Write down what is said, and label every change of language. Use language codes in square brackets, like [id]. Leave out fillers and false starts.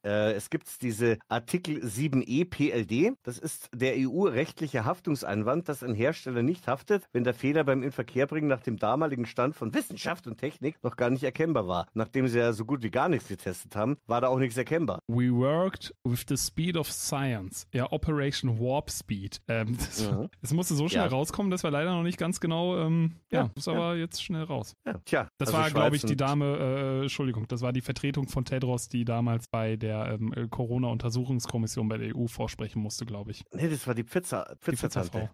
[de] Es gibt diese Artikel 7e PLD. Das ist der EU-rechtliche Haftungseinwand, dass ein Hersteller nicht haftet, wenn der Fehler beim Inverkehrbringen nach dem damaligen Stand von Wissenschaft und Technik noch gar nicht erkennbar war. Nachdem sie ja so gut wie gar nichts getestet haben, war da auch nichts erkennbar. [en] We worked with the speed of science. [de] Ja, Operation Warp Speed. Es musste so schnell rauskommen, dass wir leider noch nicht ganz genau, muss aber jetzt schnell raus. Ja. Tja, das also war, glaube ich, die Dame, Entschuldigung, das war die Vertretung von Tedros, die damals bei der Corona-Untersuchungskommission bei der EU vorsprechen musste, glaube ich. Nee, das war die Pfizer-Frau.